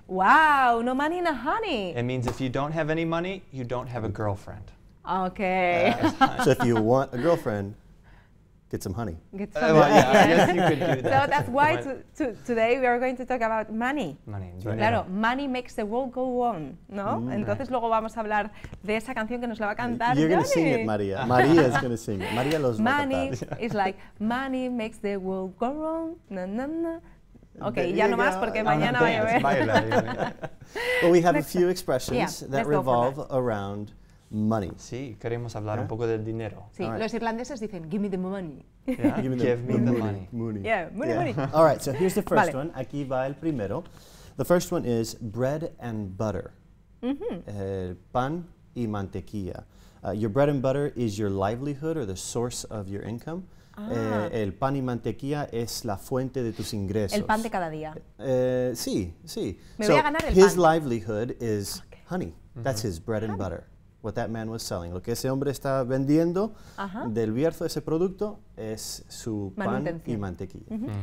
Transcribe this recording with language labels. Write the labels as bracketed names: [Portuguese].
[English] Wow, no money, no honey. It means if you don't have any money, you don't have a girlfriend. Okay. So if you want a girlfriend, get some honey. Get some honey. Yeah, I guess you could do that. So that's why today we are going to talk about money. Money. Right. Claro, yeah. Money makes the world go on, ¿no? Mm. [Spanish] Entonces luego vamos a hablar de esa canción que nos la va a cantar [English] You're Johnny. You're going to sing it, María. María is going to sing it. [Spanish] María los va a cantar. [English] Money is like, money makes the world go on. Na, na, na. [Spanish] Okay, ya no más porque mañana va a llover. [English] Well, we have a few expressions that revolve around money. [Spanish] Sí, queremos hablar un poco del dinero. [English] Sí, right. [Spanish] Los irlandeses dicen, [English] give me the money. Yeah. Give me the money. Yeah, money. All right, so here's the first one. [Spanish] Aquí va el primero. [English] The first one is bread and butter. [Spanish] Pan y mantequilla. [English] Your bread and butter is your livelihood or the source of your income. [Spanish] El pan y mantequilla es la fuente de tus ingresos. El pan de cada día. Sí, sí. Me voy a ganar el pan. [English] His livelihood is honey. Mm-hmm. That's his bread and butter. What that man was selling. [Spanish] Lo que ese hombre está vendiendo del Bierzo, ese producto, es su pan y mantequilla.